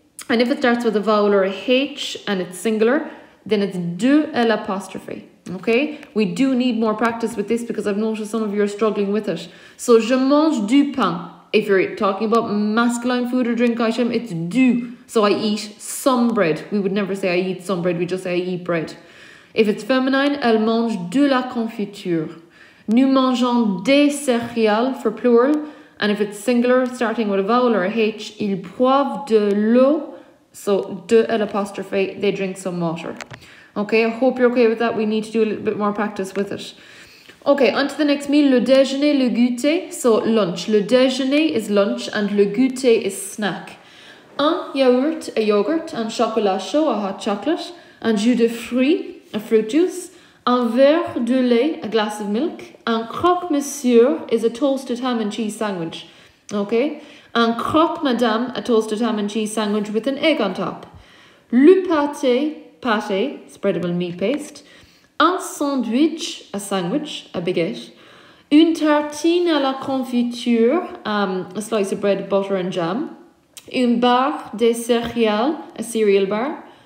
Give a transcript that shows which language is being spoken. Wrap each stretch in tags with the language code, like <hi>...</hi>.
<en>And if it starts with a vowel or a H and it's singular, then it's de l'apostrophe. Okay, we do need more practice with this because I've noticed some of you are struggling with it. So</en> <fr>je mange du pain.</fr> <en>If you're talking about masculine food or drink item, it's du. So I eat some bread. We would never say I eat some bread. We just say I eat bread. If it's feminine,</en> <fr>elle mange de la confiture. Nous mangeons des céréales</fr> <en>for plural. And if it's singular, starting with a vowel or a H,</en> <fr>ils boivent de l'eau.</fr> <en>So de l'apostrophe, they drink some water. Okay, I hope you're okay with that. We need to do a little bit more practice with it. Okay, on to the next meal,</en> <fr>le déjeuner, le goûter,</fr> <en>so lunch. Le déjeuner is lunch and le goûter is snack.</en> <fr>Un yaourt,</fr> <en>a yogurt,</en> <fr>un chocolat chaud,</fr> <en>a hot chocolate,</en> <fr>un jus de fruits,</fr> <en>a fruit juice,</en> <fr>un verre de lait,</fr> <en>a glass of milk, un croque-monsieur is a toasted ham and cheese sandwich. Okay, un croque-madame, a toasted ham and cheese sandwich with an egg on top. Le pâté, pâté, spreadable meat paste. Un sandwich, a sandwich, a baguette.</en> <fr>Une tartine à la confiture,</fr> <en>a slice of bread, butter and jam.</en> <fr>Une barre de céréales,</fr> <en>a cereal bar.</en>